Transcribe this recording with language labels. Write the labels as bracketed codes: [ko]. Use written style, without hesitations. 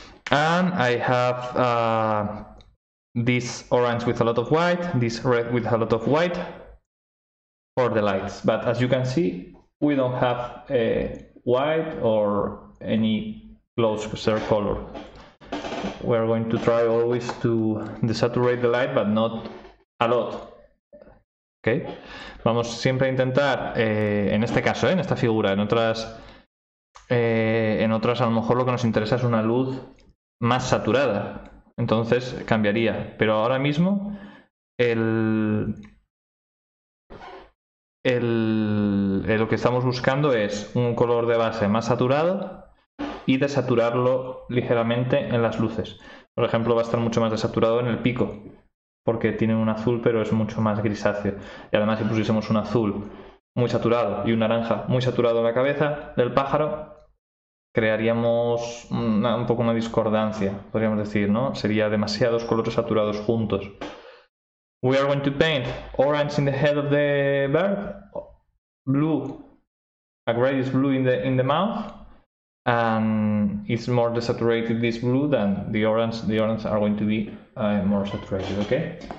[en] And I have this orange with a lot of white, this red with a lot of white for the lights. But as you can see, we don't have a white or any close color. We're going to try always to desaturate the light, but not a lot. Okay. [es] Vamos siempre a intentar, en este caso, en esta figura, en otras En otras, a lo mejor lo que nos interesa es una luz más saturada. Entonces cambiaría. Pero ahora mismo, lo que estamos buscando es un color de base más saturado y desaturarlo ligeramente en las luces. Por ejemplo, va a estar mucho más desaturado en el pico, porque tiene un azul, pero es mucho más grisáceo. Y además, si pusiésemos un azul muy saturado y un naranja muy saturado en la cabeza del pájaro, crearíamos un poco una discordancia, podríamos decir, ¿no? Sería demasiados colores saturados juntos. [en] We are going to paint orange in the head of the bird, blue, a grayish blue in the mouth, and it's more desaturated, this blue, than the orange. The orange are going to be more saturated, okay?